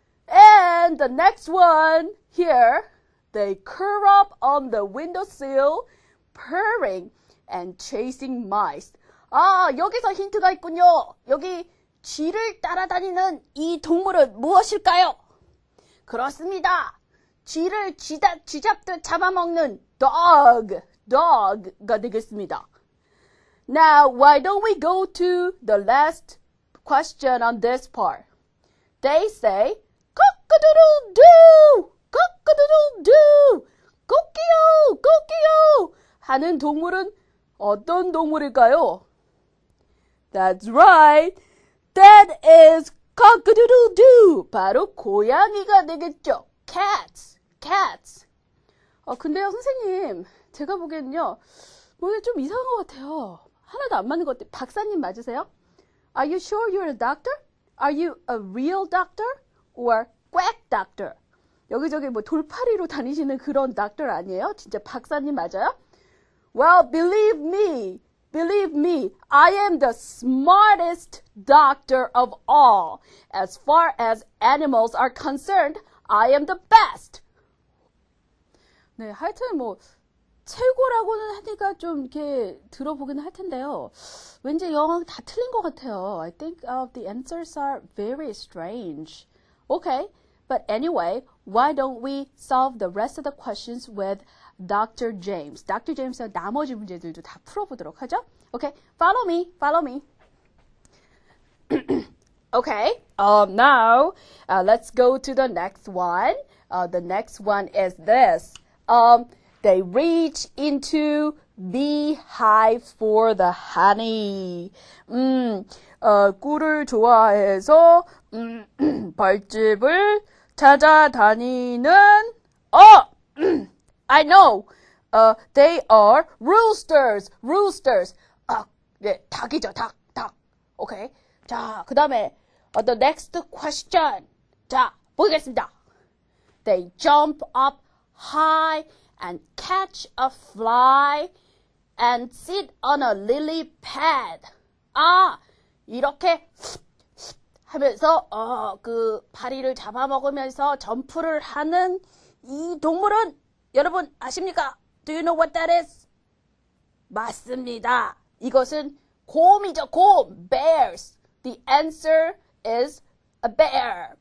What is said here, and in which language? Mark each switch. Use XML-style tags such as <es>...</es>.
<en>And the next one here, they curl up on the windowsill, purring and chasing mice.</en> <ko>아, 여기서 힌트가 있군요. 여기 쥐를 따라다니는 이 동물은 무엇일까요? 그렇습니다. 쥐를 쥐잡듯 잡아먹는 dog가 되겠습니다.</ko> <en>Now, why don't we go to the last question on this part? They say, cock-a-doodle-doo! Cock-a-doodle-doo!</en> <ko>꼬끼요! 꼬끼요! 하는 동물은 어떤 동물일까요?</ko> <en>That's right! That is cock-a-doodle-doo!</en> <ko>바로 고양이가 되겠죠. Cats. 근데요, 선생님. 제가 보기에는요, 뭔가 좀 이상한 것 같아요. 하나도 안 맞는 것 같아요. 박사님 맞으세요?</ko> <en>Are you sure you're a doctor? Are you a real doctor or quack doctor?</en> <ko>여기저기 뭐 돌파리로 다니시는 그런 doctor 아니에요? 진짜 박사님 맞아요?</ko> <en>Well, believe me, I am the smartest doctor of all. As far as animals are concerned, I am the best.</en> <ko>네, 하여튼 뭐 최고라고는 하니까 좀 이렇게 들어보긴 할 텐데요. 왠지 영어가 다 틀린 것 같아요.</ko> <en>I think the answers are very strange. Okay, but anyway, why don't we solve the rest of the questions with Dr.</en> <ko>James? Dr. James의 나머지 문제들도 다 풀어보도록 하죠.</ko> <en>Okay, follow me. Okay. Now, let's go to the next one. The next one is this. They reach into the hive for the honey.</en> <ko>꿀을 좋아해서 벌집을 찾아다니는</ko> <en>I know. They are roosters. Roosters.</en> <ko>네, 닭이죠. 닭. 닭.</ko> <en>Okay.</en> <ko>자, 그다음에</ko> <en>the next question.</en> <ko>자, 보겠습니다.</ko> <en>They jump up high and catch a fly and sit on a lily pad.</en> <ko>아, 이렇게 하면서 그 파리를 잡아먹으면서 점프를 하는 이 동물은 여러분 아십니까?</ko> <en>Do you know what that is?</en> <ko>맞습니다. 이것은 곰이죠. 곰.</ko> <en>Bears. The answer is a bear.</en>